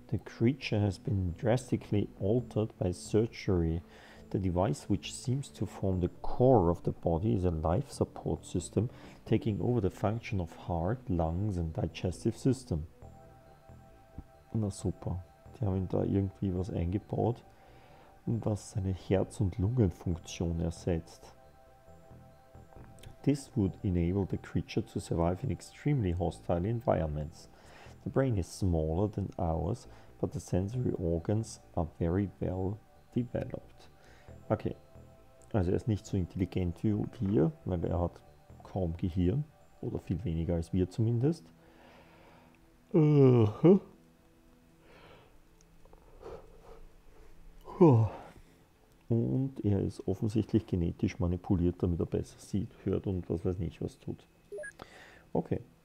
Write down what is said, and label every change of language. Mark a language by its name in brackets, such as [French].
[English] The creature has been drastically altered by surgery. The device which seems to form the core of the body is a life support system taking over the function of heart, lungs and digestive system. [German] Na super, die haben da irgendwie was eingebaut, was seine Herz- und Lungenfunktion ersetzt. [English] This would enable the creature to survive in extremely hostile environments. The brain is smaller than ours, but the sensory organs are very well developed. [German] Okay, also er ist nicht so intelligent wie wir, weil er hat kaum Gehirn, oder viel weniger als wir zumindest. Und er ist offensichtlich genetisch manipuliert, damit er besser sieht, hört und was weiß nicht, was tut. Okay.